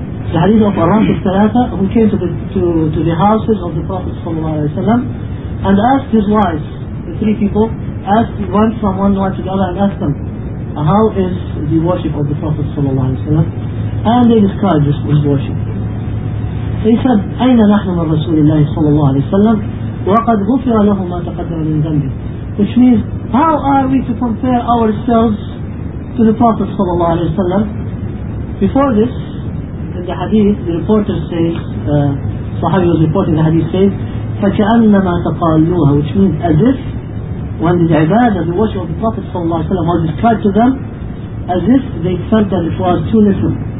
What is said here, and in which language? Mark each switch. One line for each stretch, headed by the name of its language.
English: The hadith of Aram al-Thalatha, who came to the houses of the Prophet sallallahu alayhi wa sallam and asked his wives, the three people, asked one from one wife to the other and asked them, how is the worship of the Prophet sallallahu alayhi wa sallam? And they described his worship. They said,
Arabic: أَيْنَ نَحْنُ مَا رَسُولِ اللَّهِ صَلَّى اللَّهُ عَلَيْهِ وَسَلَّمُ وَقَدْ غُفِرَ لَهُ مَا تَقَدَّمَ مِنْ ذَنْبِهِ,
English: which means, how are we to compare ourselves to the Prophet
Arabic: صلى الله عليه وسلم?
English: Before this, in the hadith, the reporter says, Sahabi was reporting the hadith says,
Arabic: فَكَأَنَّمَا تَقَالُّوهَا,
English: which means as if when the ibadah, the worship of the Prophet صلى الله عليه وسلم was described to them, as if they felt that it was too little.